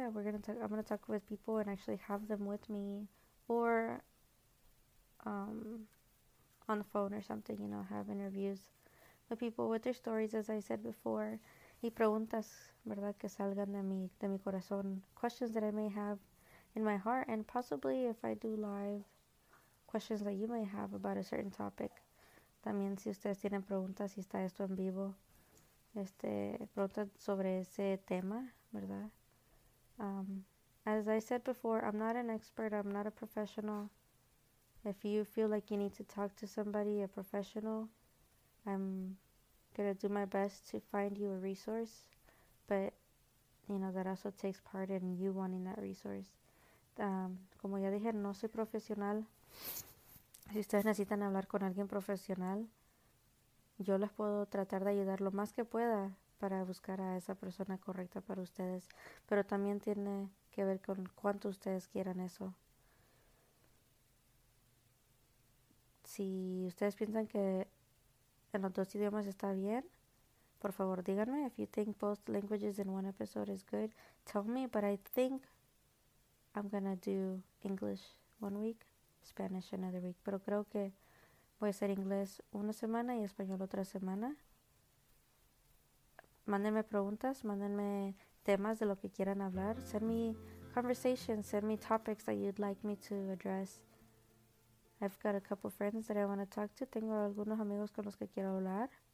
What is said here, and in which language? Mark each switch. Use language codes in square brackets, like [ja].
[en] I'm gonna talk with people and actually have them with me, or on the phone or something, you know, have interviews with people with their stories, as I said before. [es] Y preguntas, ¿verdad? Que salgan de mi corazón. [en] Questions that I may have in my heart, and possibly if I do live, questions that you may have about a certain topic. [es] También si ustedes tienen preguntas, si está esto en vivo, preguntas sobre ese tema, ¿verdad? [en] As I said before, I'm not an expert, I'm not a professional. If you feel like you need to talk to somebody, a professional, I'm gonna do my best to find you a resource, but you know that also takes part in you wanting that resource. [es] Como ya dije, no soy profesional. Si ustedes necesitan hablar con alguien profesional, Yo les puedo tratar de ayudar lo más que pueda para buscar a esa persona correcta para ustedes, pero también tiene que ver con cuánto ustedes quieran eso. Si ustedes piensan que en los dos idiomas está bien, por favor, díganme. [en] If you think both languages in one episode is good, tell me, but I think I'm gonna do English one week, Spanish another week. [es] Pero creo que voy a hacer inglés una semana y español otra semana. Mándenme preguntas, mándenme temas de lo que quieran hablar. [en] Send me conversations, send me topics that you'd like me to address. I've got a couple friends that I want to talk to. [es] Tengo algunos amigos con los que quiero hablar.